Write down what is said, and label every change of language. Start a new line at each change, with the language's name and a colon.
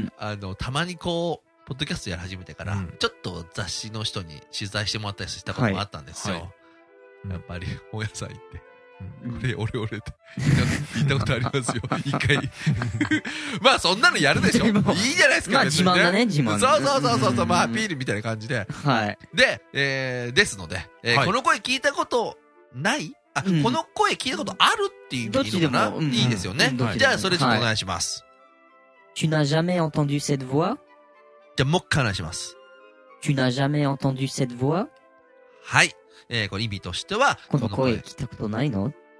Japanese: あのたまにこうポッドキャストやり始めてから、うん、ちょっと雑誌の人に取材してもらったりしたこともあったんですよ、はいはい、やっぱり本屋さん行って、これ俺俺って言ったことありますよ一回まあそんなのやるでしょ、でいいじゃないですか、まあ自慢だね、自慢、そうそうそうそ う, そう、まあアピールみたいな感じで、はい、で、ですので、はい、この声聞いたことない、あ、うん、この声聞いたことあるっていう意味でいいのかな、うん、いいですよね、うん、じゃあそれちょっとお願いします、
French: はい、Tu n'as jamais entendu cette voix?
Japanese: じゃあもう一回お願いします、
French: Tu n'as jamais entendu cette voix?
Japanese: はい、これ意味としてはこの声聞いたことないの、